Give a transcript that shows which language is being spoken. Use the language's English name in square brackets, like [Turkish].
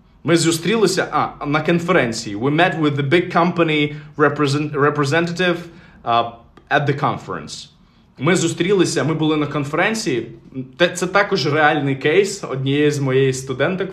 [Ukrainian] Ми зустрілися на конференції. [English] We met with the big company representative at the conference. [Ukrainian] Ми зустрілися, ми були на конференції. Це також реальний кейс однієї з моєї студенток.